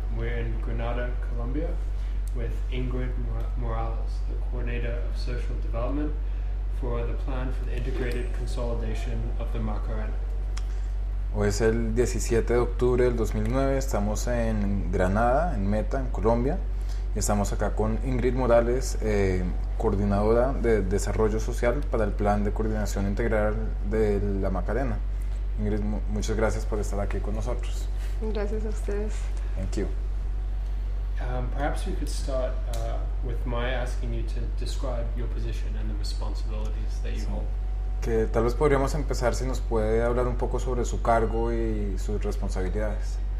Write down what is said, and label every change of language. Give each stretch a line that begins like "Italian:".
English: We're in Granada, Colombia, with Ingrid Morales, the coordinator of social development for the plan for the integrated consolidation of the Macarena.
Spanish: Hoy es el 17 de octubre del 2009, estamos en Granada, en Meta, en Colombia, y estamos acá con Ingrid Morales, coordinadora de desarrollo social para el plan de coordinación integral de la Macarena. Ingrid, muchas gracias por estar aquí con nosotros. Gracias a ustedes.
English: Thank you. Perhaps you could start with my asking you to describe your position and the responsibilities that you hold.
Spanish: Que tal vez podríamos empezar si nos puede hablar un poco sobre su cargo y sus responsabilidades.